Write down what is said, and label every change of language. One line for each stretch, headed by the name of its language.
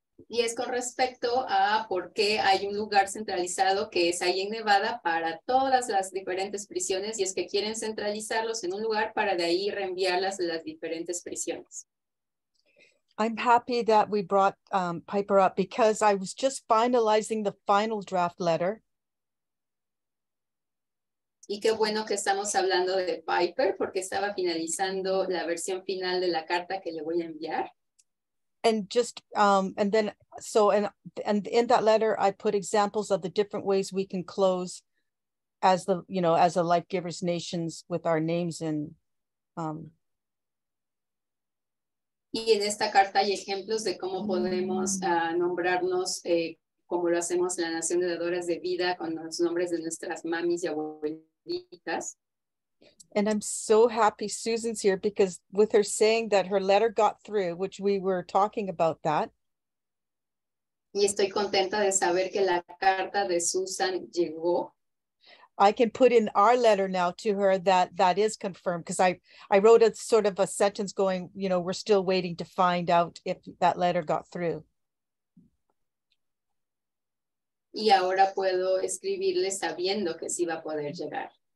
Spanish: y es con respecto a por qué hay un lugar centralizado que es ahí en Nevada para todas las diferentes prisiones, y es que quieren centralizarlos en un lugar para de ahí reenviarlas a las diferentes prisiones.
English: I'm happy that we brought Piper up because I was just finalizing the final draft letter.
Spanish: Y qué bueno que estamos hablando de Piper porque estaba finalizando la versión final de la carta que le voy a enviar.
English: And just and then so and in that letter I put examples of the different ways we can close as the, you know, as a Life Givers Nations with our names in.
Spanish: Y en esta carta hay ejemplos de cómo podemos nombrarnos como lo hacemos en la Nación de Dadoras de Vida con los nombres de nuestras mamis y abuelitas.
English: And I'm so happy Susan's here because with her saying that her letter got through, which we were talking about that.
Spanish: Y estoy contenta de saber que la carta de Susan llegó.
English: I can put in our letter now to her that that is confirmed because I wrote a sort of a sentence going, you know, we're still waiting to find out if that letter got through.
Spanish: Y ahora puedo escribirle sabiendo que sí va a poder llegar.